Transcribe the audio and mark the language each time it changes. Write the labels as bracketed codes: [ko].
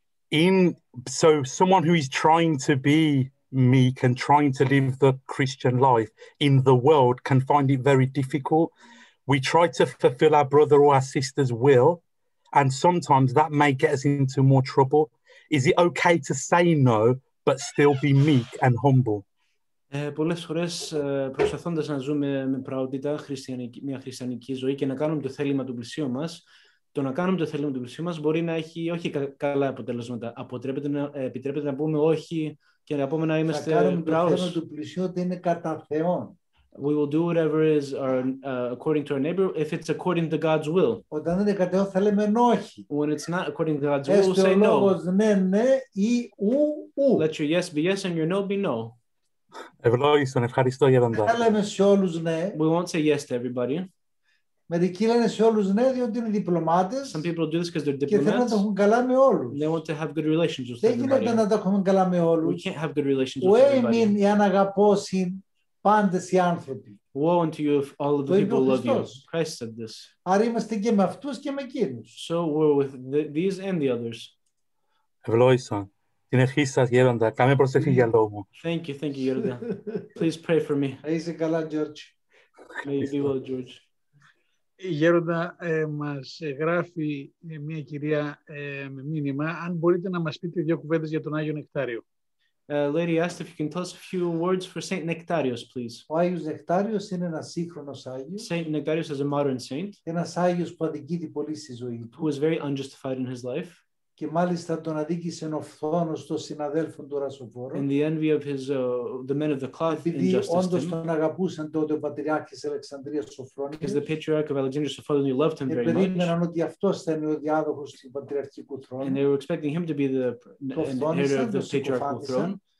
[en] In so someone who is trying to be meek and trying to live the Christian life in the world can find it very difficult. We try to fulfill our brother or our sister's will, and sometimes that may get us into more trouble. Is it okay to say no, but still be meek and humble? [el] Πολλές φορές προσπαθώντας να ζούμε με πραότητα μια χριστιανική ζωή και να κάνουμε το θέλημα του πλησίου μας, το να κάνουμε το θέλημα του πλησίου μας μπορεί να έχει όχι καλά αποτελέσματα. Επιτρέπεται να πούμε όχι και να πούμε να είμαστε πράος. Θα κάνουμε το θέλημα του πλησίου ότι είναι κατά Θεόν. [en] We will do whatever is our, according to our neighbor, if it's according to God's will. [el] Όταν είναι κατά Θεόν θα λέμε όχι. [en] When it's not according to God's will, we'll say no. [el] Έστω λόγος ναι, ναι, ή ου. [en] Let your yes be yes and your no be no. [el] Ευλόγησον, ευχαριστώ για τον τόπο. [en] We won't say yes to everybody. [el] Μερικοί λένε σε όλους ναι, διότι είναι διπλωμάτες. [en] Some people do this because they're diplomats. [el] Και θέλουν να τα έχουν καλά με όλους. [en] They want to have good relations with everybody. [el] Δεν γίνεται να τα έχουν καλά με όλους. [en] We can't have good relations with everybody. [el] Ουέ μην εάν αγαπώσιν πάντες οι άνθρωποι. [en] Woe unto you if all of the people love you. Christ said this. [el] Άρα είμαστε και με αυτούς και με εκείνους. [en] So we're with these and the others. [el] Ευλόγησον. Συνεχίσας, Γέροντα. Κάμε προσευχή για λόγο. [en] Thank you, Γέροντα. Please pray for me. [el] Είσαι καλά, George. [en] May you be well, George. [el] Η Γέροντα μας γράφει μια κυρία με μήνυμα. Αν μπορείτε να μας πείτε δύο κουβέντες για τον Άγιο Νεκτάριο. [en] Lady asked if you can tell us a few words for Saint Nectarios, please. [el] Ο Άγιος Νεκτάριος είναι ένας σύγχρονος Άγιος. [en] Saint Nectarios is a modern saint. [el] Ένας Άγιος που αδικείται πολύ στη ζωή του. [en] Who was very unjustified in his life. [el] Και μάλιστα τον αδίκησε ο φθόνος των συναδέλφων του Ρασοφόρου. [en] In the envy of his the men of the cloth injustice. [el] Επειδή όντως τον αγαπούσαν τότε ο πατριάρχης Αλεξανδρίας Σοφρόνιος. [en] Because the patriarch of Alexandria Sophronius loved him very much. [el] Επερίμεναν ότι αυτός θα είναι ο διάδοχος του πατριαρχικού θρόνου. [en] And they were expecting him to be the heir of the patriarchal throne.